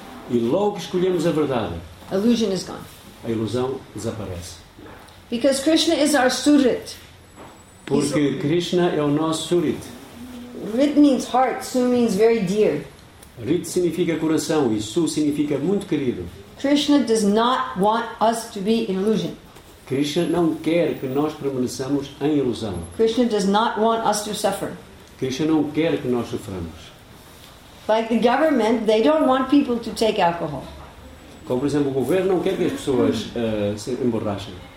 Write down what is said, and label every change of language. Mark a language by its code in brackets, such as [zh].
[pt] e logo que escolhemos a verdade, [en] illusion is gone. [pt] A ilusão desaparece. [en] Because Krishna is our surit. [pt] Porque Krishna é o nosso surit. [en] Rit means heart, su means very dear. [pt] Rit significa coração e su significa muito querido. [en] Krishna does not want us to be in illusion. [pt] Krishna não quer que nós permaneçamos em ilusão. [en] Krishna does not want us to suffer. [pt] Krishna não quer que nós soframos. [en] Like the government, they don't want people to take alcohol. [pt] Como, por exemplo, o governo não quer que as pessoas se emborrachem.